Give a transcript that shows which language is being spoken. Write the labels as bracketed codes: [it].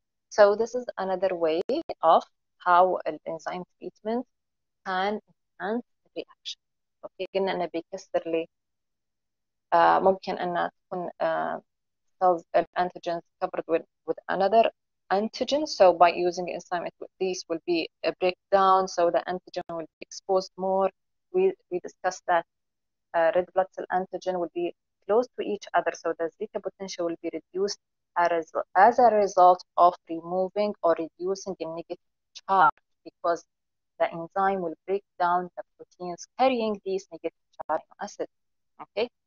[en] So this is another way of how an enzyme treatment can enhance the reaction. [ar] Okay, قلنا أنه بيكسر لي ممكن أن تكون [en] cells antigens covered with another antigen. So by using enzyme, these will be a breakdown. So the antigen will be exposed more. We discussed that red blood cell antigen will be close to each other, so the zeta potential will be reduced as a result of removing or reducing the negative charge, because the enzyme will break down the proteins carrying these negative charge acids. Okay.